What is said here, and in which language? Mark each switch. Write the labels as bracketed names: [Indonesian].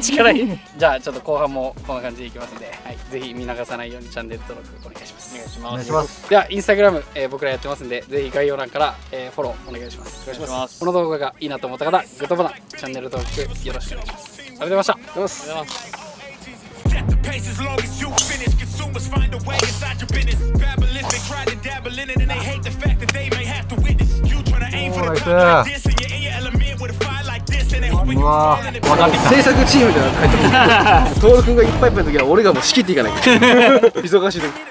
[Japanese] 力いいじゃあちょっと後半もこんな感じでいきますんで、はい、ぜひ見逃さないようにチャンネル登録お願いします。お願いします。ではインスタグラム、僕らやってますんで、ぜひ概要欄から、フォローお願いします。お願いします。この動画がいいなと思った方、グッドボタン、チャンネル登録よろしくお願いします。ありがとうございました。ありがとうございます。 [English] As long as you finish, consumers find a way inside your business. Babbling, they try to dabble in it, and they hate the fact that they may have to witness. You trying to aim for the top like this, and you're in your element with a fire like this, and they hope you fall in it. [Japanese] 制作チームみたいなの書いてある。登録がいっぱいいっぱいの時は俺がもう仕切っていかないから。忙しい時。